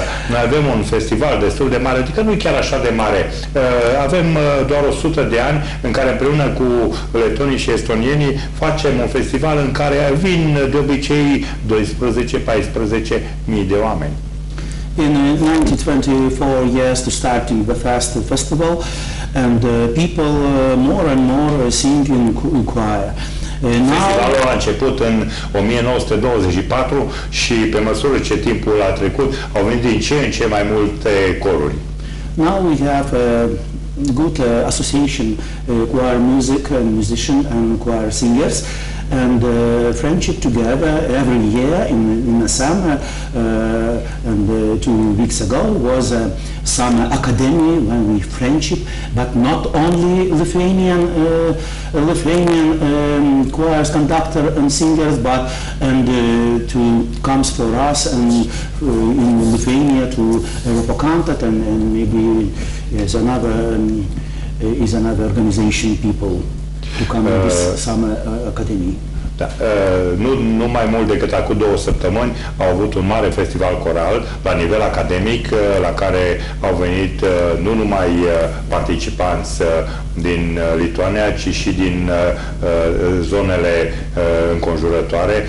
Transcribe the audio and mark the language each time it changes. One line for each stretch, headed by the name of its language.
Romanian: Noi avem un festival destul de mare, adică nu e chiar așa de mare. Avem doar 100 de ani în care împreună cu letonii și estonienii facem un festival în care vin de obicei 12-14 mii de oameni.
English: In 1924, yes, to start the first festival, and people more and more sing in choir.
Romanian: Festivalul a început în 1924 și pe măsură ce timpul a trecut, au venit din ce în ce mai multe coruri.
English: Now we have a good association, choir music and musician and choir singers. And friendship together every year in the summer, and 2 weeks ago was a summer academy when we friendship, but not only Lithuanian choirs, conductor and singers, but and to comes for us and in Lithuania to Europa Cantat and maybe is another organization people to come to this summer academy.
Romanian: Da. Nu mai mult decât acum două săptămâni au avut un mare festival coral la nivel academic, la care au venit nu numai participanți din Lituania, ci și din zonele înconjurătoare.